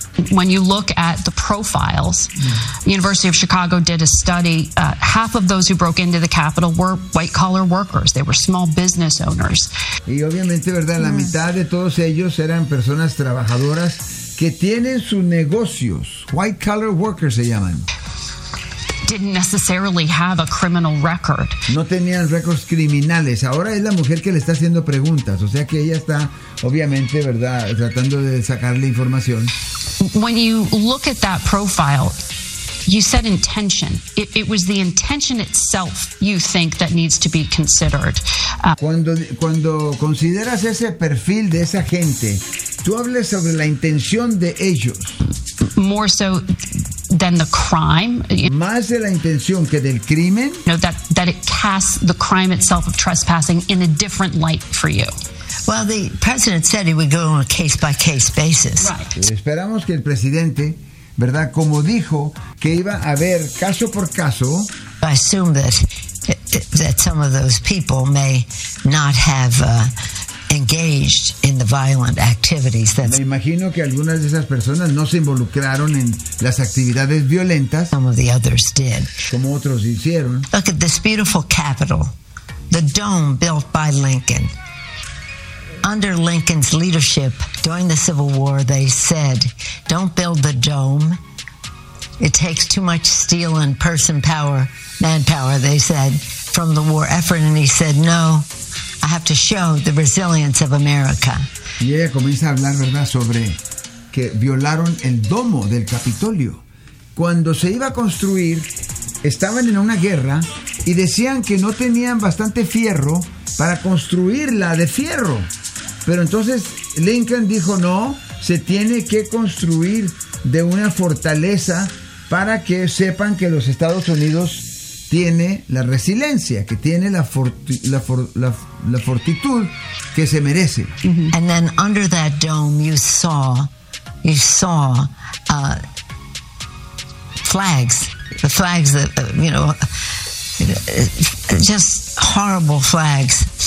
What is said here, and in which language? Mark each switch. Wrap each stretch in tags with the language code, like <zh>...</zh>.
<en>When you look at the profiles, the University of Chicago did a study. Half of those who broke into the Capitol were white-collar workers. They were small business owners.</en> <es>Y obviamente, ¿verdad? La mitad de todos ellos eran personas trabajadoras que tienen sus negocios. White-collar workers se llaman.</es> <en>Didn't necessarily have a criminal record.</en> <es>No tenían récords criminales. Ahora es la mujer que le está haciendo preguntas. O sea que ella está, obviamente, ¿verdad?, tratando de sacarle información.</es> <en>When you look at that profile, you said intention. It was the intention itself you think that needs to be considered.</en> <es>Cuando consideras ese perfil de esa gente, tú hablas sobre la intención de ellos.</es> <en>More so than the crime.</en> <es>Más de la intención que del crimen.</es> <en>You know, that it casts the crime itself of trespassing in a different light for you. Well, the president said he would go on a case-by-case basis. Right.</en> <es>Esperamos que el presidente, ¿verdad?, como dijo, que iba a ver caso por caso.</es> <en>I assume that some of those people may not have engaged in the violent activities.</en> <es>Me imagino que algunas de esas personas no se involucraron en las actividades violentas.</es> <en>Some of the others did.</en> <es>Como otros hicieron.</es> <en>Look at this beautiful Capitol, the dome built by Lincoln. Under Lincoln's leadership during the Civil War, they said, don't build the dome. It takes too much steel and manpower, they said, from the war effort. And he said, no, I have to show the resilience of America.</en> <es>Y ella comienza a hablar, ¿verdad?, sobre que violaron el domo del Capitolio. Cuando se iba a construir, estaban en una guerra y decían que no tenían bastante fierro para construirla de fierro. Pero entonces Lincoln dijo, no, se tiene que construir de una fortaleza para que sepan que los Estados Unidos tiene la resiliencia, que tiene la fortitud que se merece. Mm-hmm.</es> <en>And then under that dome you saw flags, the flags that, you know, just horrible flags.</en>